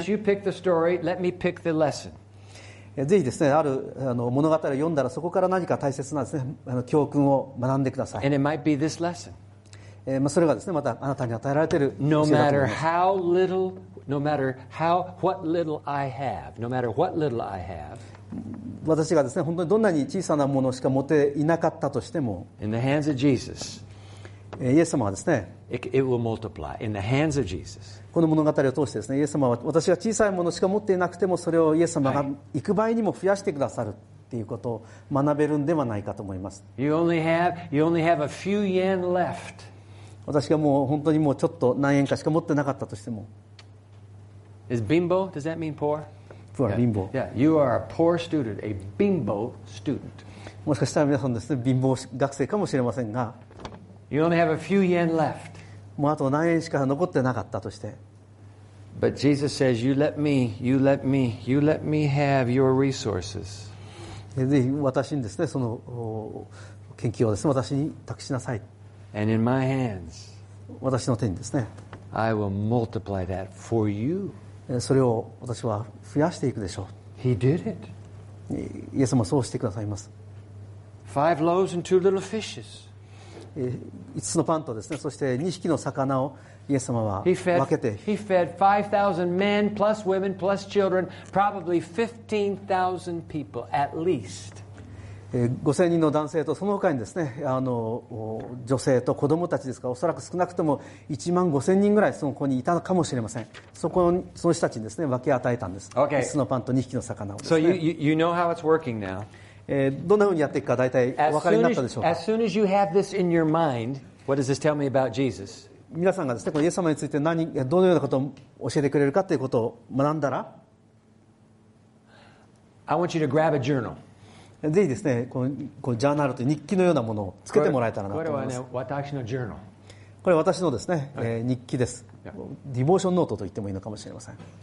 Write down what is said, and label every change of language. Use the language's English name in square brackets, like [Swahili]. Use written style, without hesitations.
[English] Since you pick the story, let me pick the lesson. [Japanese] ぜひですね、ある物語を読んだらそこから何か大切なですね、教訓を学んでください。 [English] And it might be this lesson. [Japanese] それがですね、またあなたに与えられている教えだと思います。 [English] No matter what little I have. [Japanese] 私がですね、本当にどんなに小さなものしか持っていなかったとしても、 [English] In the hands of Jesus, [Japanese] イエス様はですね、 [English] it will multiply. In the hands of Jesus. [Japanese] この物語を通してですね、イエス様は私が小さいものしか持っていなくても、それをイエス様が幾倍にも増やしてくださるっていうことを学べるんではないかと思います。 [English] You only have a few yen left. [Japanese] 私がもう本当にもうちょっと何円かしか持ってなかったとしても、 [English] Is bimbo? Does that mean poor? Yeah, you are a poor student, a bimbo student. [Japanese] もしかしたら皆さんですね、貧乏学生かもしれませんが、 [English] You only have a few yen left. [Japanese] もうあと何円しか残ってなかったとして、 [English] But Jesus says, you let me have your resources. [Japanese] ぜひ私にですね、その研究をですね、私に託しなさい。 [English] And in my hands, [Japanese] 私の手にですね、 [English] I will multiply that for you. [Japanese] それを私は増やしていくでしょう。 [English] He did it. [Japanese] イエス様そうしてくださいます。 [English] Five loaves and two little fishes. [Japanese] 5つのパンとですね、そして2匹の魚をイエス様は分けて。 [English] He fed 5,000 men plus women plus children, probably 15,000 people at least. [Japanese] 5,000 人の男性とその他にですね、女性と子供たちですか、おそらく少なくとも1万5000人ぐらいその子にいたかもしれません。その人たちにですね、分け与えたんです。 [English] Okay. [Japanese] 5つのパンと2匹の魚をですね。 [English] So you know how it's working now. [Japanese] どんなふうにやっていくか大体お分かりになったでしょうか。 [English] As soon as you have this in your mind, what does this tell me about Jesus? [Japanese] 皆さんがですね、このイエス様について どのようなことを教えてくれるかということを学んだら、 [English] I want you to grab a journal. [Japanese] ぜひですね、このジャーナルという日記のようなものをつけてもらえたらなと思います。これはね、私のジャーナル。これは私のですね、日記です。ディボーションノートと言ってもいいのかもしれません。